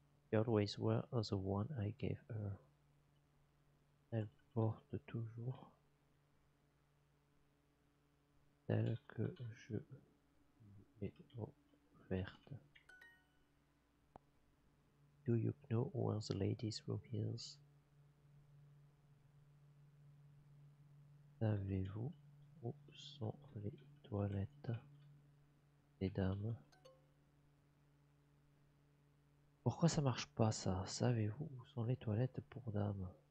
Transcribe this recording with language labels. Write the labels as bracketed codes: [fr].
[en] She always wears the one I gave her. [fr] Elle porte toujours celle que je lui ai offerte. [en] Do you know where the ladies' room is? [fr] Savez-vous où sont les toilettes des dames? Pourquoi ça marche pas ça? Savez-vous où sont les toilettes pour dames?